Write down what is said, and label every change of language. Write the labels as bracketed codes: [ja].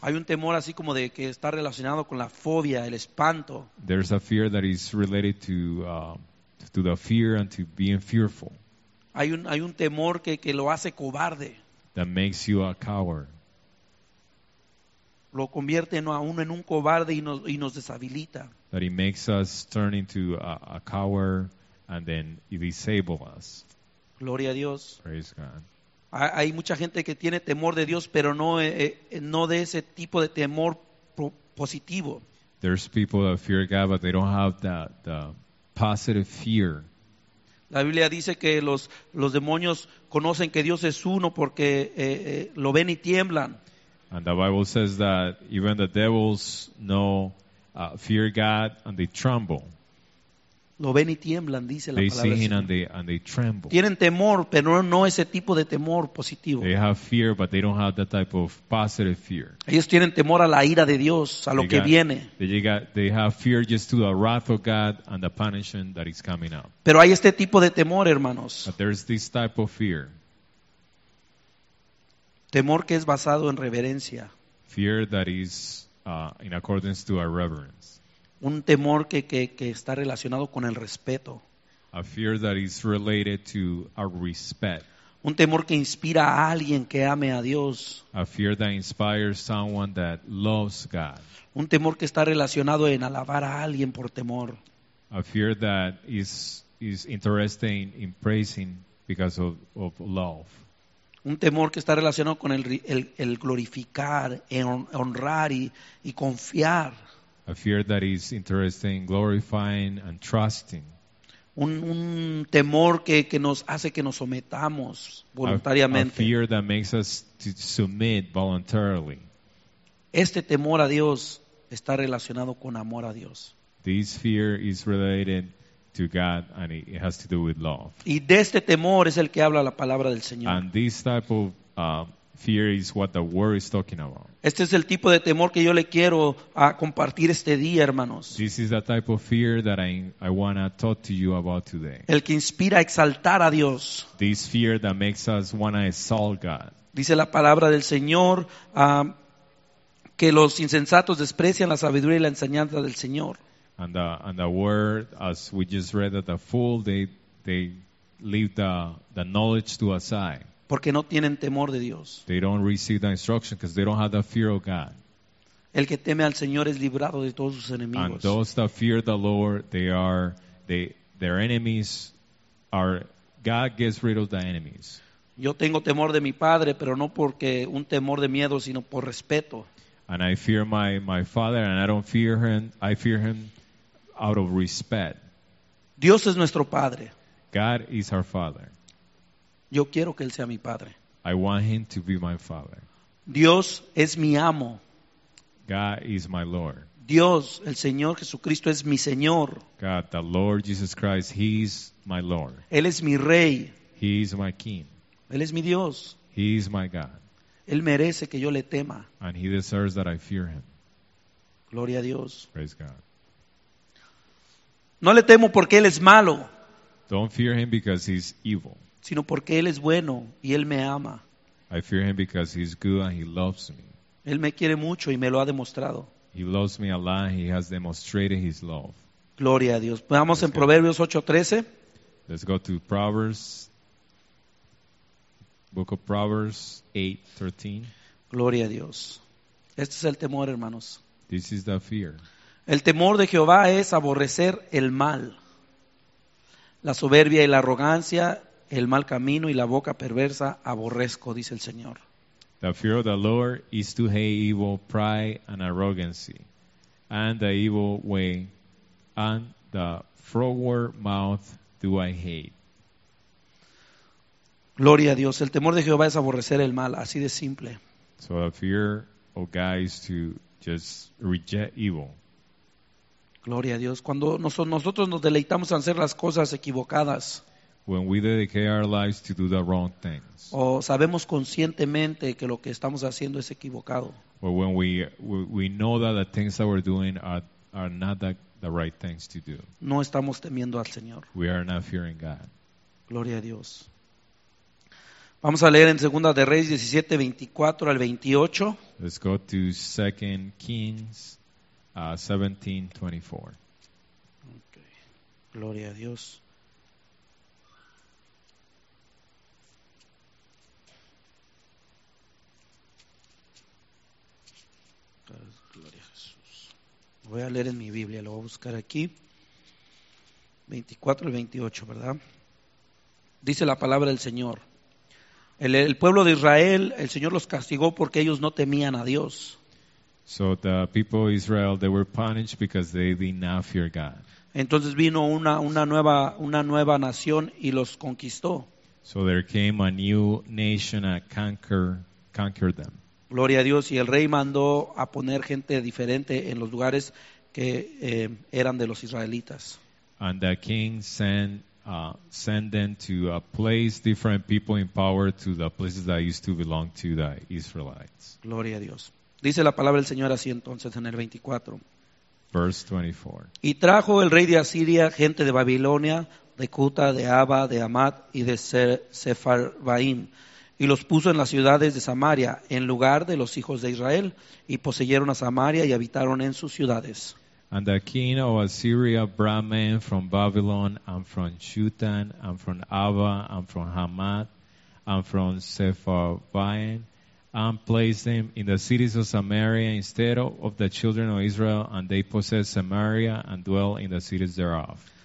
[es] Hay un temor así como de que está relacionado con la fobia, el espanto. [en] There's a fear that is related to the fear and to being fearful. [es] Hay un temor que lo hace cobarde. [en] That makes you a coward. [es] Lo convierte a uno en un cobarde y nos deshabilita. [en] That it makes us turn into a coward and then it disables us. [es] Gloria a Dios. [en] Praise God. [es] Hay mucha gente que tiene temor de Dios, pero no de ese tipo de temor positivo. [en] There's people that fear God, but they don't have the positive fear. [es] La Biblia dice que los demonios conocen que Dios es uno porque lo ven y tiemblan. [en] And the Bible says that even the devils know fear God and they tremble. [es] Lo ven y tiemblan, dice la palabra. [en] They see him and they tremble. [es] Tienen temor, pero no ese tipo de temor positivo. [en] They have fear, but they don't have that type of positive fear. [es] Ellos tienen temor a la ira de Dios, a lo que viene. [en] They have fear just to the wrath of God and the punishment that is coming out. [es] Pero hay este tipo de temor, hermanos. [en] But there's this type of fear. [es] Temor que es basado en reverencia. [en] Fear that is in accordance to our reverence. [es] Un temor que está relacionado con el respeto. [en] A fear that is related to our respect. [es] Un temor que inspira a alguien que ame a Dios. [en] A fear that inspires someone that loves God. [es] Un temor que está relacionado en alabar a alguien por temor. [en] A fear that is interested in praising because of love. [es] Un temor que está relacionado con el glorificar, honrar y confiar. [en] A fear that is interested in glorifying and trusting. [es] Un temor que nos hace que nos sometamos voluntariamente. [en] A fear that makes us to submit voluntarily. [es] Este temor a Dios está relacionado con amor a Dios. [en] This fear is related to God and it has to do with love. [es] Y de este temor es el que habla la palabra del Señor. [en] And this type of fear is what the word is talking about. [es] Este es el tipo de temor que yo le quiero compartir este día, hermanos. [en] This is the type of fear that I want to talk to you about today. [es] El que inspira a exaltar a Dios. [en] This fear that makes us want to exalt God. [es] Dice la palabra del Señor que los insensatos desprecian la sabiduría y la enseñanza del Señor. [en] And the word, as we just read, that the fool, they leave the knowledge to aside. [es] Porque no tienen temor de Dios. [en] They don't receive the instruction because they don't have the fear of God. [es] El que teme al Señor es librado de todos sus enemigos. [en] And those that fear the Lord, their enemies are, God gets rid of the enemies. [es] Yo tengo temor de mi padre, pero no porque un temor de miedo, sino por respeto. [en] And I fear my father and I don't fear him. I fear him out of respect. [es] Dios es nuestro padre. [en] God is our father. [es] Yo quiero que él sea mi padre. [en] I want him to be my father. [es] Dios es mi amo. [en] God is my Lord. [es] Dios, el Señor Jesucristo es mi Señor. [en] God, the Lord Jesus Christ, he is my Lord. [es] Él es mi Rey. [en] He is my King. [es] Él es mi Dios. [en] He is my God. [es] Él merece que yo le tema. [en] And he deserves that I fear him. [es] Gloria a Dios. [en] Praise God. [es] No le temo porque él es malo. [en] Don't fear him because he's evil. [es] Sino porque Él es bueno y Él me ama. [en] I fear Him because He's good and He loves me. [es] Él me quiere mucho y me lo ha demostrado. [en] He loves me a lot and He has demonstrated His love. [es] Gloria a Dios. Vamos en Proverbios 8:13. [en] Let's go to Proverbs. Book of Proverbs 8:13. [es] Gloria a Dios. Este es el temor, hermanos. [en] This is the fear. [es] El temor de Jehová es aborrecer el mal. La soberbia y la arrogancia, el mal camino y la boca perversa aborrezco, dice el Señor. [en] The fear of the Lord is to hate evil, pride and arrogancy, and the evil way and the froward mouth do I hate. [es] Gloria a Dios. El temor de Jehová es aborrecer el mal, así de simple. [en] So the fear of God is to just reject evil. [es] Gloria a Dios. Cuando nosotros nos deleitamos en hacer las cosas equivocadas. [en] When we dedicate our lives to do the wrong things. [es] O sabemos conscientemente que lo que estamos haciendo es equivocado. [en] Or when we know that the things that we're doing are not the right things to do. [es] No estamos temiendo al Señor. [en] We are not fearing God. [es] Gloria a Dios. Vamos a leer en Segunda de Reyes 17, 24 al 28. [en] Let's go to 2 Kings 17:24. [es] Okay. Gloria a Dios. Gloria a Jesús. Voy a leer en mi Biblia, lo voy a buscar aquí. 24 al 28, ¿verdad? Dice la palabra del Señor. El pueblo de Israel, el Señor los castigó porque ellos no temían a Dios. [en] So the people of Israel, they were punished because they did not fear God. [es] Entonces vino una nueva nación y los conquistó. [en] So there came a new nation and conquered them. [es] Gloria a Dios, y el rey mandó a poner gente diferente en los lugares que eran de los israelitas. [en] And the king sent them to a place, different people in power to the places that used to belong to the Israelites. [es] Gloria a Dios. Dice la palabra del Señor así entonces en el 24. [en] Verse 24. [es] Y trajo el rey de Asiria gente de Babilonia, de Cuta, de Abba, de Amad y de Sefarvaim, y los puso en las ciudades de Samaria en lugar de los hijos de Israel, y poseyeron a Samaria y habitaron en sus ciudades. [en] And the king of Assyria brought men from Babylon and from Shutan and from Abba and from Hamath and from Sepharvaim and placed them in the cities of Samaria instead of the children of Israel, and they possessed Samaria and dwell in the cities thereof.